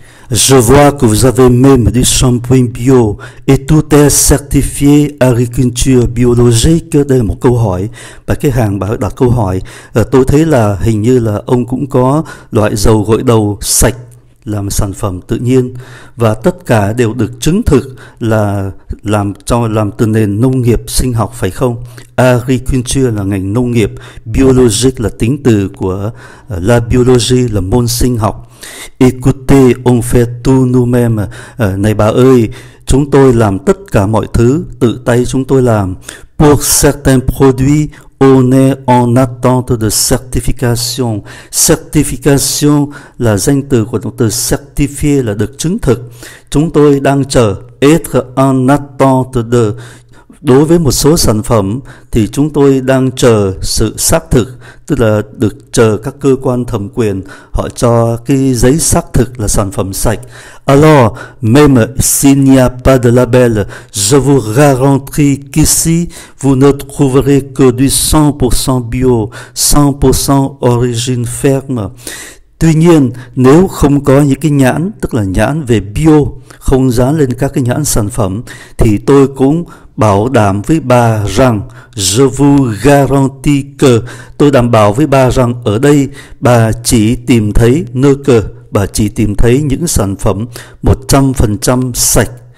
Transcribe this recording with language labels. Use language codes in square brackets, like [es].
[fr] Je vois que vous avez même du shampoing bio et tout est certifié agriculture biologique. [vi] Đây là một câu hỏi. Và cái hàng bà đặt câu hỏi. Tôi thấy là hình như là ông cũng có loại dầu gội đầu sạch làm sản phẩm tự nhiên và tất cả đều được chứng thực là làm từ nền nông nghiệp sinh học phải không? Agriculture là ngành nông nghiệp, biologic là tính từ của la biologie là môn sinh học. [fr] Écoutez, on fait tout nous-mêmes. [vi] Này bà ơi, chúng tôi làm tất cả mọi thứ tự tay chúng tôi làm. [fr] Pour certains produits, on est en attente de certification. [vi] Certification là danh từ của động từ certifier là được chứng thực. Chúng tôi đang chờ. [fr] Être en attente de. [vi] Đối với một số sản phẩm thì chúng tôi đang chờ sự xác thực, tức là được chờ các cơ quan thẩm quyền họ cho cái giấy xác thực là sản phẩm sạch. [fr] Alors, même s'il n'y a pas de label, je vous garantis qu'ici, vous ne trouverez que du 100% bio, 100% origine ferme. [vi] Tuy nhiên, nếu không có những cái nhãn, tức là nhãn về bio, không dán lên các cái nhãn sản phẩm, thì tôi cũng bảo đảm với bà rằng [fr] je vous garantis que [vi] tôi đảm bảo với bà rằng ở đây bà chỉ tìm thấy nơ cơ bà chỉ tìm thấy những sản phẩm 100% sạch